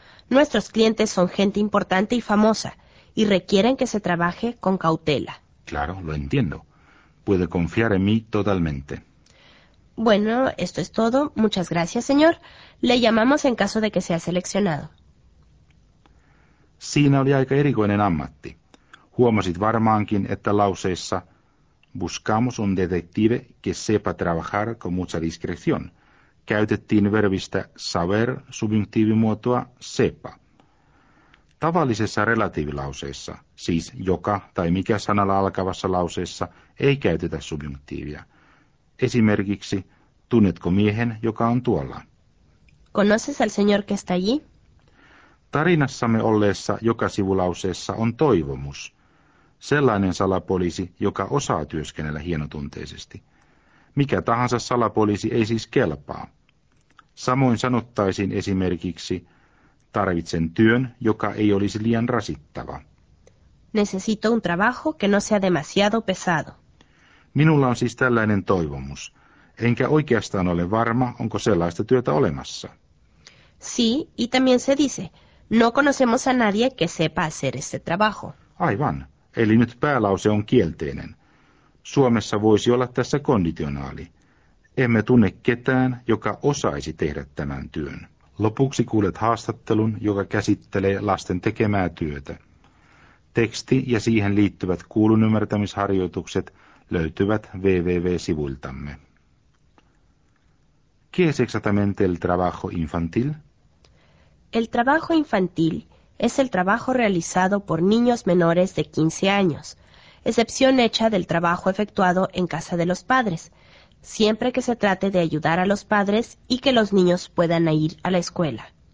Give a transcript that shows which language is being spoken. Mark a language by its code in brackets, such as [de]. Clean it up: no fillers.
[es] Nuestros clientes son gente importante y famosa, y requieren que se trabaje con cautela. Claro, lo entiendo. Puede confiar en mí totalmente. Bueno, esto es todo. Muchas gracias, señor. Le llamamos en caso de que sea seleccionado. [fi] Siinä oli aika erikoinen ammatti. Huomasit varmaankin, että lauseessa [es] buscamos un detective que sepa trabajar con mucha discreción. [fi] Käytettiin verbistä saber subjunktiivimuotoa sepa. Tavallisessa relatiivilauseessa, siis joka tai mikä sanalla alkavassa lauseessa, ei käytetä subjunktiivia. Esimerkiksi, tunnetko miehen, joka on tuolla? [es] ¿Conoces al señor que está allí? [fi] Tarinassamme olleessa joka sivulauseessa on toivomus. Sellainen salapoliisi, joka osaa työskennellä hienotunteisesti. Mikä tahansa salapoliisi ei siis kelpaa. Samoin sanottaisiin esimerkiksi, tarvitsen työn, joka ei olisi liian rasittava. [es] Necesito un trabajo que no sea demasiado pesado. [fi] Minulla on siis tällainen toivomus, enkä oikeastaan ole varma, onko sellaista työtä olemassa. [es] Sí, y también se dice, no conocemos a nadie que sepa hacer este trabajo. [fi] Aivan, eli nyt päälause on kielteinen. Suomessa voisi olla tässä konditionaali. Emme tunne ketään, joka osaisi tehdä tämän työn. Lopuksi kuulet haastattelun, joka käsittelee lasten tekemää työtä. Teksti ja siihen liittyvät kuulun ymmärtämisharjoitukset löytyvät www-sivuiltamme. [es] ¿Qué es exactamente el trabajo infantil? El trabajo infantil es el trabajo realizado por niños menores de 15 años, excepción hecha del trabajo efectuado en casa de los padres, siempre que se trate de ayudar a los padres y que los niños puedan ir a la escuela.